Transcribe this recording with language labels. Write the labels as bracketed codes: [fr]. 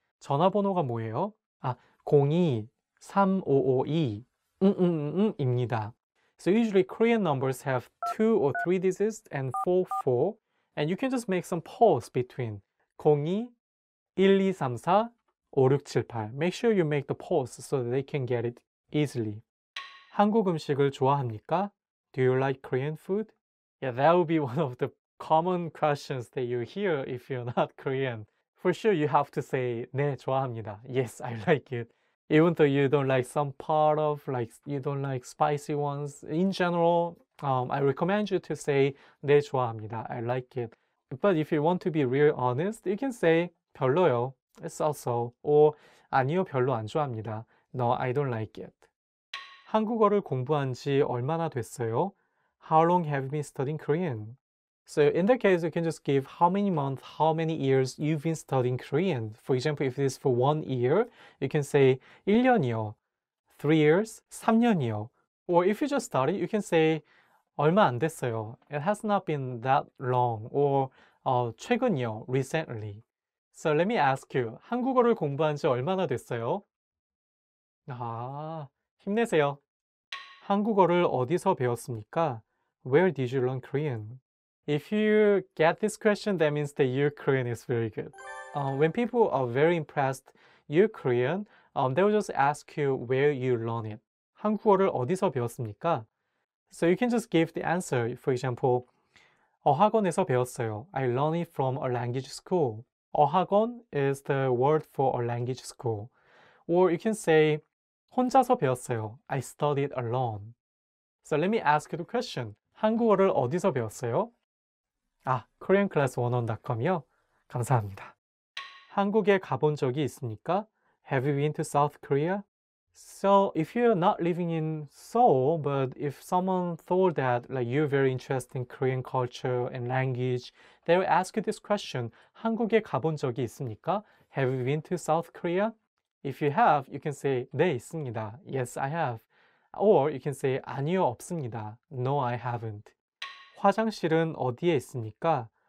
[ko] 전화번호가 뭐예요? 아, 023552입니다. [en] So usually Korean numbers have 2 or 3 digits and 44. And you can just make some pause between 02-1234-5678. Make sure you make the pause so that they can get it easily. [ko] 한국 음식을 좋아합니까? [en] Do you like Korean food? Yeah, that would be one of the common questions that you hear if you're not Korean. For sure, you have to say [ko] 네, 좋아합니다. [en] Yes, I like it. Even though you don't like some part of, like, you don't like spicy ones. In general, I recommend you to say [ko] 네, 좋아합니다. [en] I like it. But if you want to be really honest, you can say [ko] 별로요. [en] It's also. [ko] Or 아니요, 별로 안 좋아합니다. [en] No, I don't like it. [ko] 한국어를 공부한 지 얼마나 됐어요? [en] How long have you been studying Korean? So in that case, you can just give how many months, how many years you've been studying Korean. For example, if it is for 1 year, you can say [ko] 1년이요, [en] 3 years, [ko] 3년이요. [en] Or if you just started, you can say [ko] 얼마 안 됐어요. [en] It has not been that long. Or [ko] 최근이요, [en] recently. So let me ask you, [ko] 한국어를 공부한 지 얼마나 됐어요? 아, 힘내세요. 한국어를 어디서 배웠습니까? [en] Where did you learn Korean? If you get this question, that means that your Korean is very good. When people are very impressed your Korean, they will just ask you where you learn it. [ko] 한국어를 어디서 배웠습니까? [en] So you can just give the answer. For example, [ko] 어학원에서 배웠어요. [en] I learned it from a language school. 어학원 is the word for a language school. Or you can say [ko] 혼자서 배웠어요. [en] I studied alone. So let me ask you the question. [ko] 한국어를 어디서 배웠어요? 아, koreanclass101.com이요? 감사합니다. 한국에 가본 적이 있습니까? [en] Have you been to South Korea? So, if you're not living in Seoul, but if someone thought that like you're very interested in Korean culture and language, they will ask you this question. [ko] 한국에 가본 적이 있습니까? [en] Have you been to South Korea? If you have, you can say [ko] 네, 있습니다. [en] Yes, I have. Or you can say [ko] 아니요, 없습니다. [en] No, I haven't. [ko] 화장실은 어디에 있습니까?